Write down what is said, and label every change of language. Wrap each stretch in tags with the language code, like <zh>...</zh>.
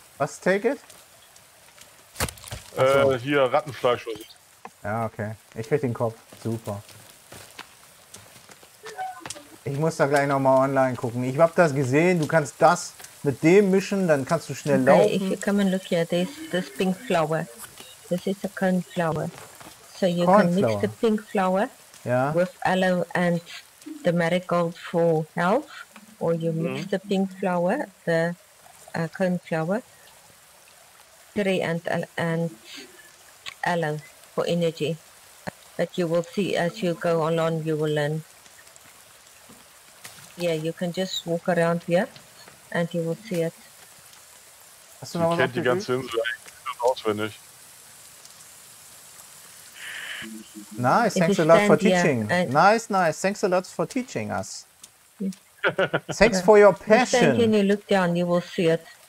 <de>Was,</de> <en>take it?</en> <de>Hier Rattenfleisch. Ja, okay. Ich krieg den Kopf. Super. Ich muss da gleich nochmal online gucken. Ich hab das gesehen. Du kannst das mit dem mischen, dann kannst du schnell laufen.</de> <en>If you come and look here, there's this pink flower. This is a cornflower. So you can mix the pink flower with aloe and the marigold for health. Or you mix the pink flower, the cornflower. And aloe for energy. But you will see as you go along, you will learn. Yeah, you can just walk around here and you will see it.</en> <de>Hast du noch was? Ich kenn die ganze Insel auswendig.</de> <en>Nice, thanks a lot for teaching. Nice, nice, thanks a lot for teaching us. Thanks for your passion. When you look down, you will see it.</en>